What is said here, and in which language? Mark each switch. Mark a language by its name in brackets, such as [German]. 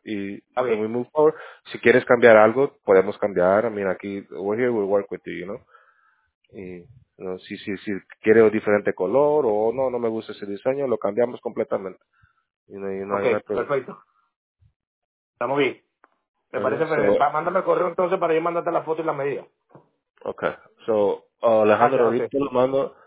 [Spanish] Y [English] we move forward. [Spanish] Si quieres cambiar algo, podemos cambiar. [English] I mean, aquí, we're here, we'll work with you, you know? [Spanish] Y, no, si quiere un diferente color o no me gusta ese diseño, lo cambiamos completamente. No okay, perfecto. Estamos bien. Me parece perfecto. Mándame el correo entonces para yo mandarte la foto y la medida. [English] Okay. So, [Spanish] Alejandro, ahorita lo mando.